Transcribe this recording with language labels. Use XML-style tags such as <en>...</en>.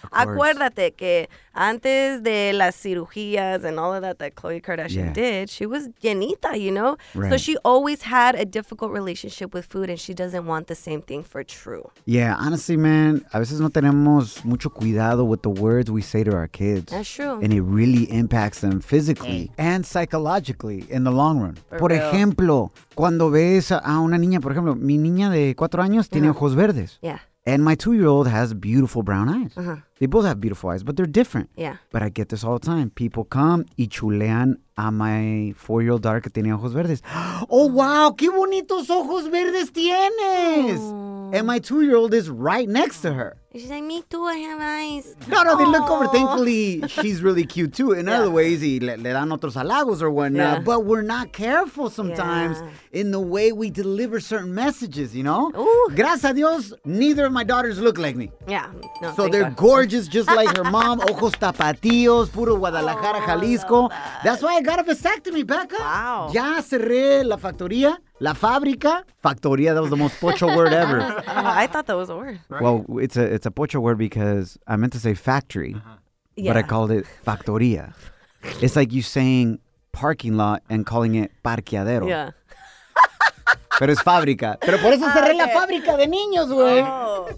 <es>Acuérdate que antes de las cirugías</es> <en>and all of that that Khloe Kardashian did, she was llenita, you know? Right. So she always had a difficult relationship with food and she doesn't want the same thing for True. Yeah, honestly, man,</en> <es>a veces no tenemos mucho cuidado</es> <en>with the words we say to our kids. That's true. And it really impacts them physically and psychologically. In the long run. For</en> <es>por</es> <en>real.</en> <es>Ejemplo, cuando ves a una niña, por ejemplo, mi niña de 4 años tiene ojos verdes.</es> <en>Yeah. And my 2-year-old has beautiful brown eyes. Uh-huh. They both have beautiful eyes, but they're different. Yeah. But I get this all the time. People come</en> <es>y chulean a</es> <en>my 4-year-old daughter</en> <es>que tiene ojos verdes. Oh, wow, qué bonitos ojos verdes tienes. Ooh.</es> <en>And my 2-year-old is right next to her. She's like, me too, I have eyes. No, no, they look over. Thankfully, she's really cute too. In other ways,</en> <es>le dan otros halagos</es> <en>or whatnot. Yeah. But we're not careful sometimes in the way we deliver certain messages, you know? Ooh.</en> <es>Gracias a Dios,</es> <en>neither of my daughters look like me. Yeah. No, so they're gorgeous just like her mom.</en> <es>Ojos tapatíos, puro</es> <en>Guadalajara, Jalisco. That's why I got a vasectomy, Becca. Wow.</en> <es>Ya cerré la factoría. La fábrica, factoría,</es> <en>that was the most pocho word ever. I thought that was a word. Right. Well, it's a pocho word because I meant to say factory, but I called it factoría. It's like you saying parking lot and calling it parqueadero. Yeah.</en> <es>Pero es fábrica. Pero por eso cerré la fábrica de niños, güey.</es>